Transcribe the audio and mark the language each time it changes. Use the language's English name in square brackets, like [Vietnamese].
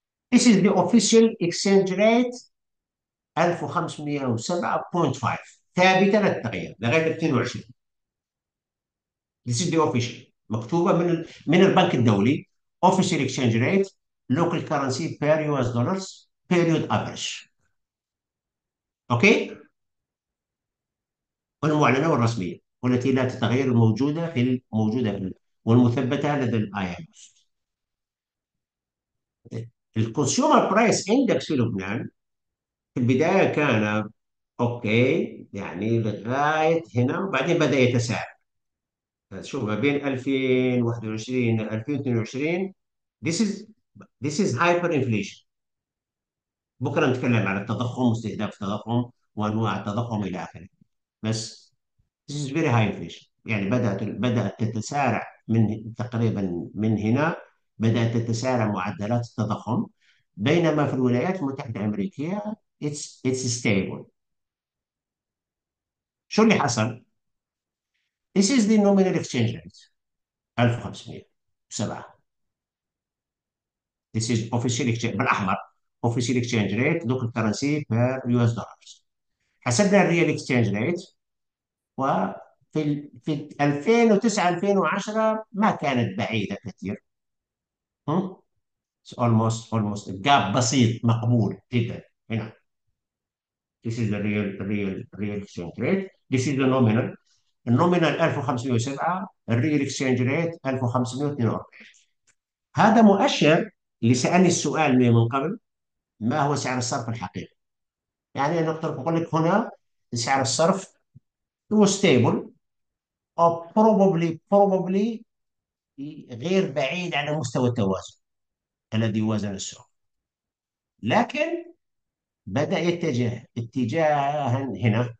[English] This is the official exchange rate 1507.5 [Arabic] ثابته لا تتغير لغايه [English] 22. This is the official، [Arabic] مكتوبة من البنك الدولي. [English] Official exchange rate, local currency per US dollars, period average. [Arabic] Okay؟ والمعلنة والرسمية والتي لا تتغير، الموجودة والمثبتة لدى الـ IMF. الكونسيومر برايس اندكس في لبنان في البدايه كان اوكي يعني لغايه هنا، وبعدين بدا يتسارع. شوف ما بين 2021 ل 2022، [English] this is [Arabic] هايبر انفليشن. بكره نتكلم على التضخم واستهداف التضخم وانواع التضخم الى اخره، بس [English] this is very high inflation. [Arabic] يعني بدات تتسارع من تقريبا من هنا، بدات تتسارع معدلات التضخم، بينما في الولايات المتحده الامريكيه [English] it's stable. [Arabic] شو اللي حصل؟ [English] This is the nominal exchange rate 1507. This is official exchange [Arabic] بالأحمر، [English] official exchange rate local currency per US dollars. [Arabic] حسبنا الريال exchange rate، وفي في 2009 2010 ما كانت بعيدة كثير. [English] It's almost gap [Arabic] بسيط مقبول جدا هنا. [English] This is the real exchange rate. This is the nominal. [Arabic] النومينال 1507، الريل اكسشينج ريت 1542. هذا مؤشر اللي سالني السؤال من قبل، ما هو سعر الصرف الحقيقي؟ يعني انا اقول لك هنا سعر الصرف هو ستيبل او بروبابلي غير بعيد عن مستوى التوازن الذي وزن السوق، لكن بدا يتجه اتجاها هنا.